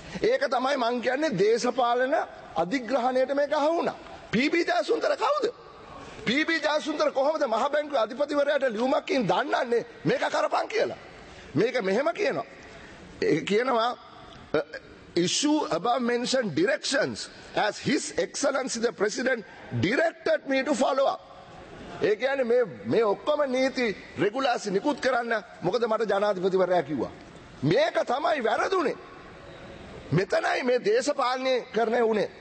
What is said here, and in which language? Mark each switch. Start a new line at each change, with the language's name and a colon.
Sinhala: ඒක තමයි මං කියන්නේ දේශපාලන අධිග්‍රහණයට මේක අහුණා. PB ජයසුන්දර කවුද? PB ජයසුන්දර කොහොමද මහ බැංකුවේ අධිපතිවරයාට ලියුමක්කින් දන්නන්නේ මේක කරපන් කියලා? මේක මෙහෙම කියනවා. ඒ කියනවා
English: issue above mentioned directions as his excellency the president directed me to follow up.
Sinhala: ඒ කියන්නේ මේ ඔක්කොම නීති රෙගුලාසි නිකුත් කරන්න මොකද මට ජනාධිපතිවරයා කිව්වා. මේක තමයි වැරදුනේ. මෙතනයි මේ දේශපාලනේ කරන්නේ උනේ.